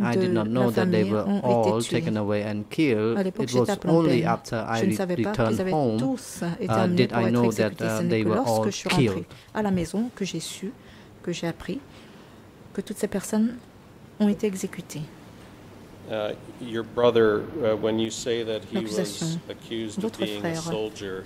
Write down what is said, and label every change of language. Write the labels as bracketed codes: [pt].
[en] I did not know that they were all taken away and killed. It was only after I returned home did I know that they were all killed. [fr] À la maison, que j'ai su, que j'ai appris, que toutes ces personnes ont été exécutées. [en] Your brother, when you say that he was accused of being a soldier,